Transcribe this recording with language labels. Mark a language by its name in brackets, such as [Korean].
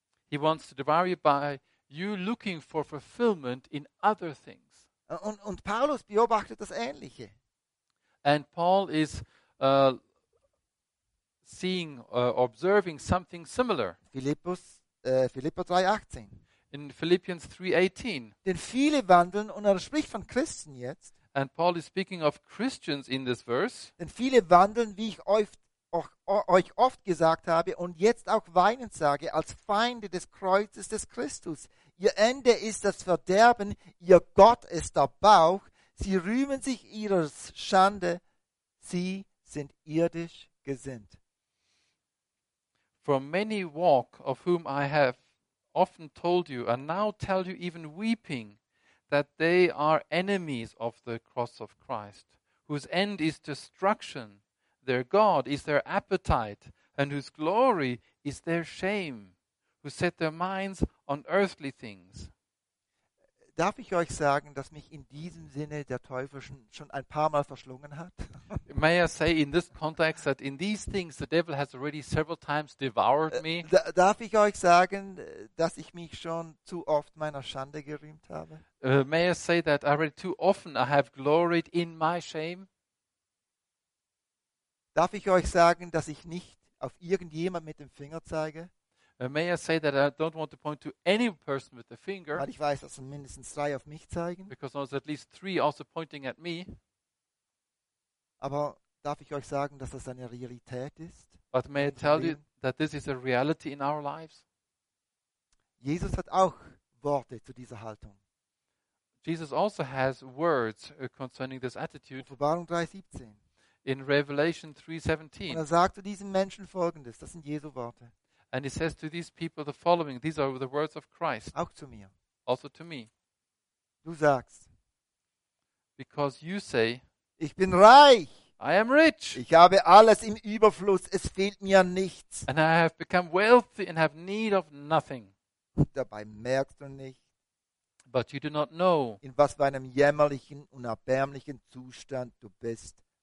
[English] He wants to devour you by you looking for fulfillment in other things. [German] Und Paulus beobachtet das Ähnliche. [English] And Paul is seeing or observing something similar. [German] Philipper 3:18. [English] In Philippians 3:18. [German] Denn viele wandeln und er spricht von Christen jetzt. [English] And Paul is speaking of Christians in this verse. [German] Denn viele wandeln, wie ich euch oft gesagt habe und jetzt auch weinend sage, als Feinde des Kreuzes des Christus. Ihr Ende ist das Verderben, ihr Gott ist der Bauch. Sie rühmen sich ihrer Schande, sie sind irdisch gesinnt. [English] For many walk, of whom I have often told you, and now tell you even weeping, that they are enemies of the cross of Christ, whose end is destruction, their God is their appetite, and whose glory is their shame, who set their minds on earthly things. [German] Darf ich euch sagen, dass mich in diesem Sinne der Teufel schon ein paar Mal verschlungen hat? [English] May I say in this context that in these things the devil has already several times devoured me? [German] Darf ich euch sagen, dass ich mich schon zu oft meiner Schande gerühmt habe? [English] May I say that already too often I have gloried in my shame? [German] Darf ich euch sagen, dass ich nicht auf irgendjemand mit dem Finger zeige? [English] May I say that I don't want to point to any person with the finger? [German] Weil ich weiß, dass mindestens drei auf mich zeigen. [English] Because there's at least three also pointing at me. [German] Aber darf ich euch sagen, dass das eine Realität ist? [English] But may I tell you that this is a reality in our lives? [German] Jesus hat auch Worte zu dieser Haltung. [English] Jesus also has words concerning this attitude. [German] Offenbarung 3:17. [English] In Revelation 3:17. [German] Und er sagt zu diesen Menschen Folgendes. Das sind Jesu Worte. [English] And he says to these people the following. These are the words of Christ. [German] Auch zu mir. [English] Also to me. [German] Du sagst. [English] Because you say. [German] Ich bin reich. [English] I am rich. [German] Ich habe alles im Überfluss. Es fehlt mir nichts. [English] And I have become wealthy and have need of nothing. [German] Dabei merkst du nicht. [English] But you do not know. [German] In was für einem jämmerlichen und erbärmlichen Zustand du bist.